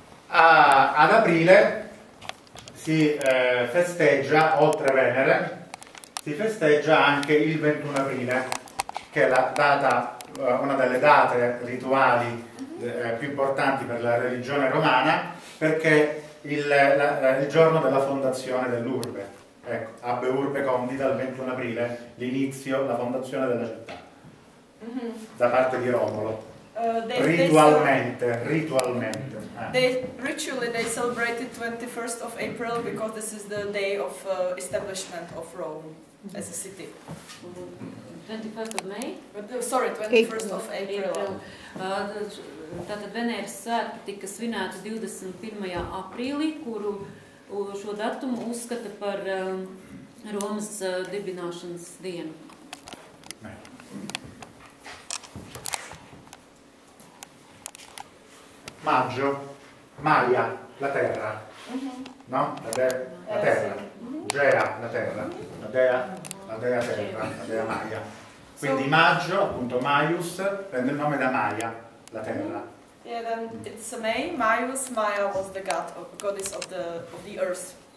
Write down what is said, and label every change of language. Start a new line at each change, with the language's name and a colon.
Italian: Ad aprile si festeggia, oltre Venere, si festeggia anche il 21 aprile, che è la data, una delle date rituali più importanti per la religione romana, perché il giorno della fondazione dell'urbe. Ecco, Abbe Urbe Condita il 21 aprile, l'inizio, la fondazione della città, da parte di Romolo. Ritualmente.
English: They celebrated 21st of April because this is the day of establishment of Rome as a city. 21st of May? Sorry, 21st of April.
Latvian: Tātad Veneras svētki tika svinēti 21. aprīlī, kuru šo datumu uzskata par Romas dibināšanas dienu.
Italian: Maggio, Maya, la terra, no? La dea, la terra, Gea, la terra, la dea terra, la dea Maya. Quindi maggio, appunto Maius, prende il nome da Maya, la terra.
English: Yeah, then it's May, Maius, Maya was the god of, goddess of the earth.